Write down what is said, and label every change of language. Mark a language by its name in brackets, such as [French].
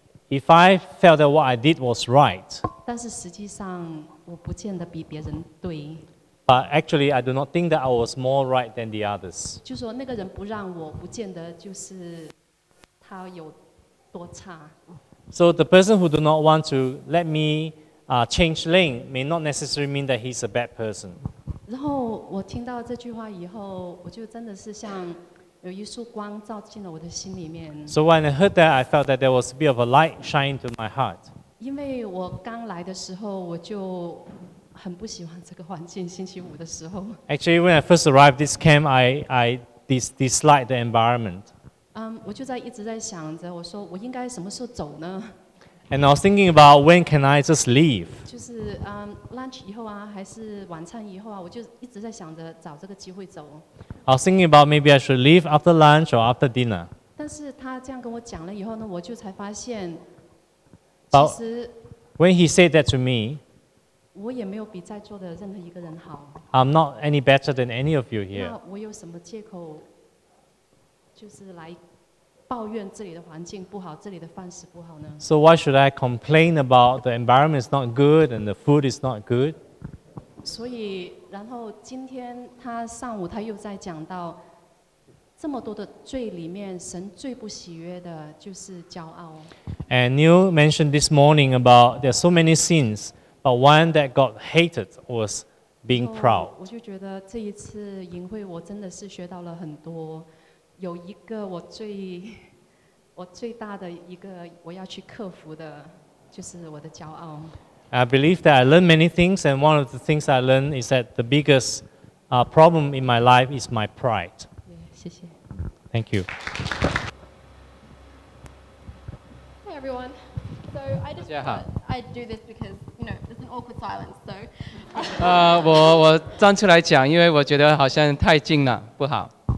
[English] If I felt that what I did was right, [Chinese] 但是实际上我不见得比别人对。 [English] But actually, I do not think that I was more right than the others. [Chinese] 就说那个人不让我，不见得就是他有多差。 [English] So the person who do not want to let me change lane may not necessarily mean that he's a bad person. [Chinese] 然后我听到这句话以后，我就真的是像有一束光照进了我的心里面。 [English] So when I heard that, I felt that there was a bit of a light shining to my heart. [Chinese] 因为我刚来的时候，我就很不喜欢这个环境。星期五的时候。 [English] Actually, when I first arrived this camp, I disliked the environment. [Chinese] 我就在一直在想着，我说我应该什么时候走呢？ [English] And I was thinking about when can I just leave? [Chinese] 就是lunch 以后啊，还是晚餐以后啊，我就一直在想着找这个机会走。 [English] I was thinking about maybe I should leave after lunch or after dinner. [Chinese] 但是他这样跟我讲了以后呢，我就才发现， [English] but、 [Chinese] 其实 [English] when he said that to me, [Chinese] 我也没有比在座的任何一个人好。 [English] I'm not any better than any of you here. [Chinese] 那我有什么借口，就是来？抱怨这里的环境不好，这里的饭食不好呢？ [English] So why should I complain about the environment is not good and the food is not good? [Chinese] 所以，然后今天他上午他又在讲到，这么多的罪里面，神最不喜悦的就是骄傲。 [English] And Neil mentioned this morning about there are so many sins, but one that God hated was being proud. [Chinese] 我就觉得这一次营会我真的是学到了很多。有一个我最大的一个我要去克服的，就是我的骄傲。 [English] I believe that I learned many things, and one of the things I learned is that the biggest problem in my life is my pride. [Chinese] 谢谢。 [English] Thank you. Hey everyone. So I just thought I'd do this because you know there's an awkward silence. So. [Chinese] 我站出来讲，因为我觉得好像太近了，不好。